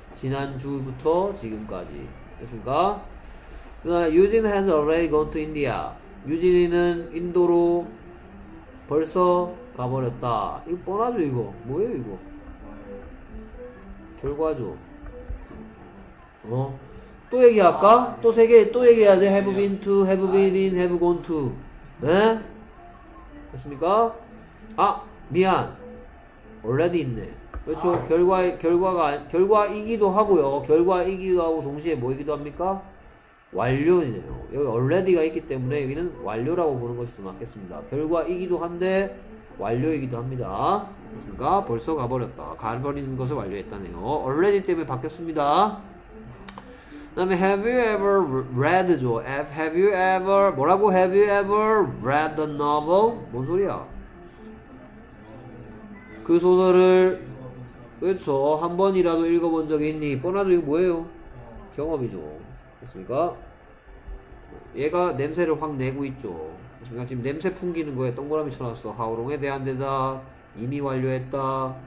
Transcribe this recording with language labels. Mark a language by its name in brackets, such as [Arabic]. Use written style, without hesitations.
[Korean] 지난주부터 지금까지. 됐습니까? 그다음에 [English] Eugene has already gone to India. [Korean] 유진이는 인도로 벌써 가버렸다. 이거 뻔하죠, 이거. 뭐예요, 이거? 결과죠. 어? 또 얘기할까? 아, 또 세 개, 또 얘기해야 돼. [English] have been to, have been in, have gone to. [Korean] 예? 됐습니까? 아, 미안. already 있네. 그렇죠. 아, 결과이기도 하고요. 결과이기도 하고 동시에 뭐이기도 합니까? 완료네요. 여기 already가 있기 때문에 여기는 완료라고 보는 것이 더 맞겠습니다. 결과이기도 한데 완료이기도 합니다. 그렇습니까? 벌써 가버렸다. 가버리는 것을 완료했다네요. already 때문에 바뀌었습니다. 다음에 [English] have you ever read [Korean] 죠? [English] Have you ever [Korean] 뭐라고 [English] have you ever read the novel? [Korean] 뭔 소리야? 그 소설을 그쵸 한 번이라도 읽어본 적이 있니? 뻔하죠. 이거 뭐예요? 경험이죠. 그렇습니까? 얘가 냄새를 확 내고 있죠. 그렇습니까? 지금 냄새 풍기는 거에 동그라미 쳐놨어. How long에 대한 대답. 이미 완료했다.